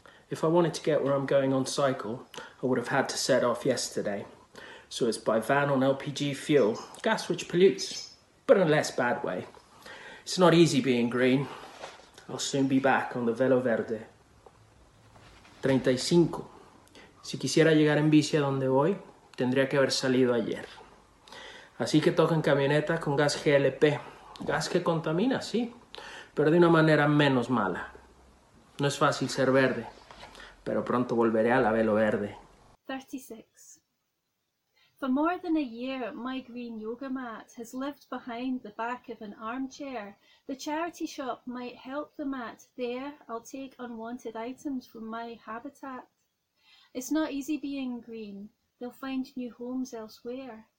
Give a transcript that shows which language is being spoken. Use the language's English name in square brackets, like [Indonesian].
[English] If I wanted to get where I'm going on cycle, I would have had to set off yesterday. So it's by van on LPG fuel, gas which pollutes, but in a less bad way. It's not easy being green. I'll soon be back on the Velo Verde. 35. [Spanish] Si quisiera llegar en bici a donde voy, tendría que haber salido ayer. Así que toca en camioneta con gas GLP. Gas que contamina, sí, pero de una manera menos mala. No es fácil ser verde, pero pronto volveré a la Velo Verde. 36. [English] For more than a year, my green yoga mat has lived behind the back of an armchair. The charity shop might help the mat. There, I'll take unwanted items from my habitat. It's not easy being green. They'll find new homes elsewhere.